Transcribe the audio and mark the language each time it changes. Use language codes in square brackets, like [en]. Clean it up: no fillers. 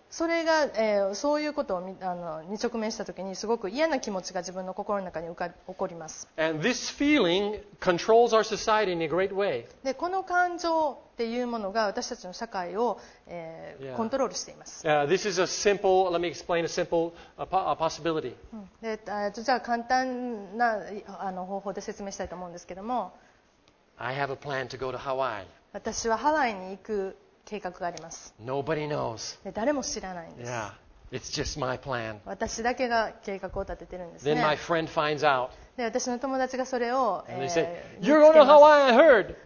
[ja] それが、そういうことをあのに直面したときにすごく嫌な気持ちが自分の心の中に起こります。 [en] And this feeling controls our society in a great way. [ja] でこの感情っていうものが私たちの社会を、コントロールしています。 [en] This is a simple, let me explain a simple possibility. [ja] で、じゃあ簡単なあの方法で説明したいと思うんですけども。 [en] I have a plan to go to Hawaii. [ja] 私はハワイに行く計画があります。 [en] Nobody knows. [ja] で、誰も知らないんです。 [en] Yeah. It's just my plan. [ja] 私だけが計画を立ててるんですね。 [en] Then my friend finds out. [ja] で、私の友達がそれを、 [en] And they say, You're going to Hawaii, I heard.